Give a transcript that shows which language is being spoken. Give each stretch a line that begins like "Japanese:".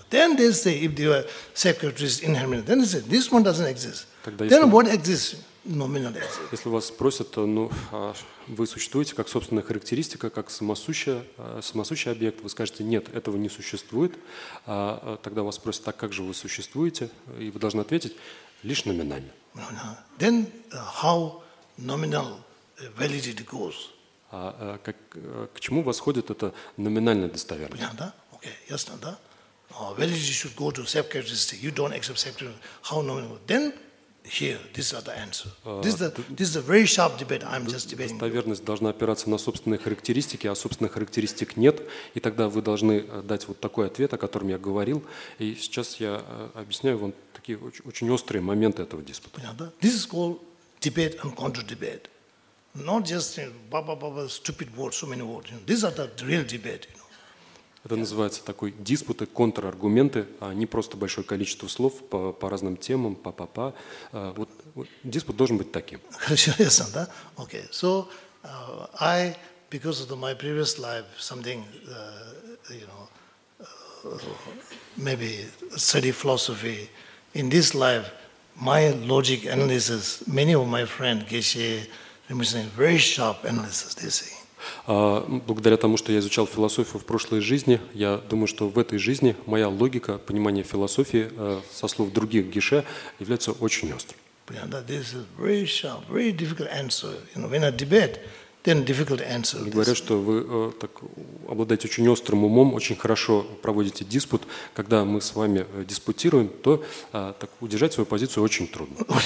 English: Then they say, if they are secretaries in Hermione, then they say, this one doesn't exist. Then what exists? Nominally exists.
Russian: Если вас спросят, ну, вы существуете как собственная характеристика, как самосущий объект, вы скажете: нет, этого не существует. А тогда вас спросят: так как же вы существуете? И вы должны ответить: лишь номинально.
English: Then how nominal validity goes?
Russian: К чему восходит эта номинальная достоверность? Понятно, да? Окей, ясно, да?
English: Validity should go to self-characteristic. You don't accept self-characteristic. How nominal? Then here, these are the answers. This is a very sharp debate. I'm just debating.
Russian: Достоверность должна опираться на собственные характеристики, а собственных характеристик нет. И тогда вы должны дать вот такой ответ, о котором я говорил. И сейчас я объясняю вам такие очень острые моменты этого диспута. Понятно, да?
English: This is called debate and counter-debate. Not just ba-ba-ba-ba, stupid words, so many words. You know, these are the real debate. You know.
Russian: Это называется такой диспуты, контраргументы, а не просто большое количество слов по разным темам, па-па-па. Диспут должен быть таким. Хорошо, да?
English: Okay, so I, because of my previous life, something, you know, maybe study philosophy, in this life, my logic analysis, many of my friends, Geshe, Rinpoche, very sharp analysis, they say.
Russian: Благодаря тому, что я изучал философию в прошлой жизни, я думаю, что в этой жизни моя логика, понимание философии со слов других геше является очень острым.
English: Yeah, this is very sharp, very difficult answer. You know, when I debate, then difficult answer.
Russian: Говорят, что вы так обладаете очень острым умом, очень хорошо проводите диспут. Когда мы с вами диспутируем, то так удержать свою позицию очень трудно.